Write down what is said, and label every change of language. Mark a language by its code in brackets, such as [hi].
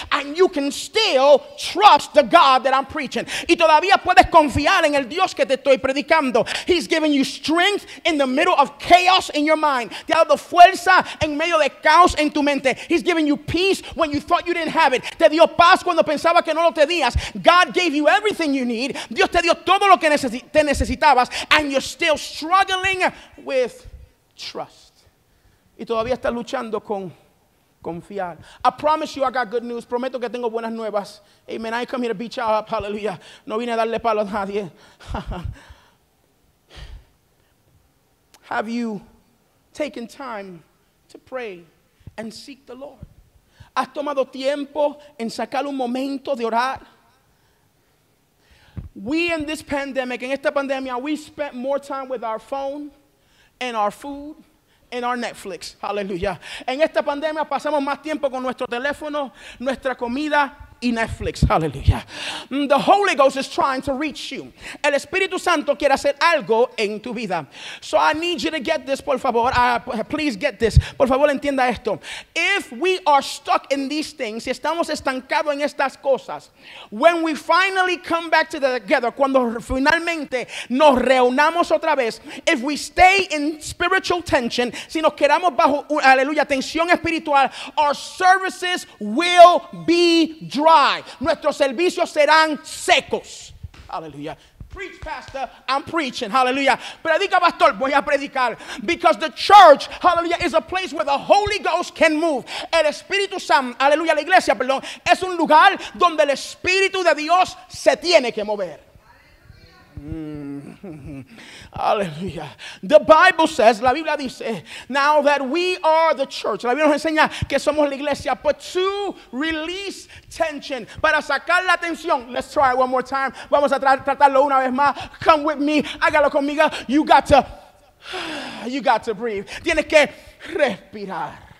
[en] And you can still trust the God that I'm preaching. [es] Y todavía puedes confiar en el Dios que te estoy predicando. [en] He's giving you strength in the middle of chaos in your mind. [es] Te ha dado fuerza en medio de caos en tu mente. [en] He's giving you peace when you thought you didn't have it. [es] Te dio paz cuando pensaba que no lo tenías. [en] God gave you everything you need. [es] Dios te dio todo lo que te necesitabas. [en] And you're still struggling with trust. [es] Y todavía estás luchando con confiar. [en] I promise you I got good news. [es] Prometo que tengo buenas nuevas. [en] Amen. I ain't come here to beat y'all up. Hallelujah. [es] No vine a darle palo a nadie. [en] Have you taken time to pray and seek the Lord? [es] ¿Has tomado tiempo en sacar un momento de orar? [en] We in this pandemic, [es] en esta pandemia, [en] we spent more time with our phone and our food in our Netflix. Hallelujah. [es] En esta pandemia pasamos más tiempo con nuestro teléfono, nuestra comida y Netflix. Hallelujah. [en] The Holy Ghost is trying to reach you. [es] El Espíritu Santo quiere hacer algo en tu vida. [en] So I need you to get this, por favor. Please get this. [es] Por favor, entienda esto. [en] If we are stuck in these things, [es] si estamos estancados en estas cosas, [en] when we finally come back together, [es] cuando finalmente nos reunamos otra vez, [en] if we stay in spiritual tension, [es] si nos quedamos bajo, aleluya, tensión espiritual, [en] our services will be dry. [es] Nuestros servicios serán secos. Hallelujah. Preach, pastor, I'm preaching. Hallelujah. Predica, pastor, voy a predicar. [en] Because the church, hallelujah, is a place where the Holy Ghost can move. [es] El Espíritu Santo, aleluya, la iglesia, perdón, es un lugar donde el Espíritu de Dios se tiene que mover. [en] Hallelujah. The Bible says, [es] la Biblia dice, [en] now that we are the church, [es] la Biblia nos enseña que somos la iglesia, [en] but to release tension, [es] para sacar la tensión, [en] let's try it one more time, [es] vamos a tratarlo una vez más, [en] come with me, [es] hágalo conmigo, [en] you got to breathe, [es] tienes que respirar.